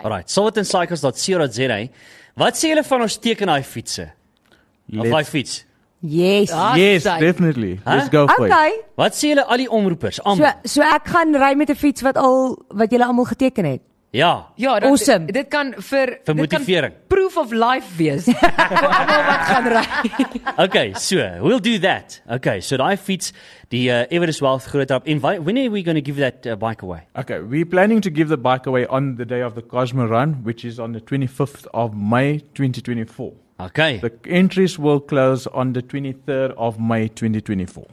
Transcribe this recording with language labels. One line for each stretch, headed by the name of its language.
English: All right,
Afrikaans: silvertoncycles.co.za. Wat sê julle van ons teken daai fietse? Of daai fiets?
English: Yes. Yes, definitely. Huh? Let's go for okay. it.
Afrikaans: Wat sê julle al die omroepers? So ek gaan ry met 'n fiets wat julle almal geteken het. Ja. Ja, dat, awesome. Dit kan vir... Vir motivering. Dit kan
English: proof of life
Afrikaans: wees. Voor allemaal wat gaan rij.
English: Okay, so, we'll do that. Okay, so
Afrikaans: die fiets, die Everest Wealth groot op.
English: When are we going to give that bike away? Okay, we're planning to give the bike away on the day of the Cosmo Run, which is on the 25th of May 2024. Okay. The entries will close on the 23rd of May 2024.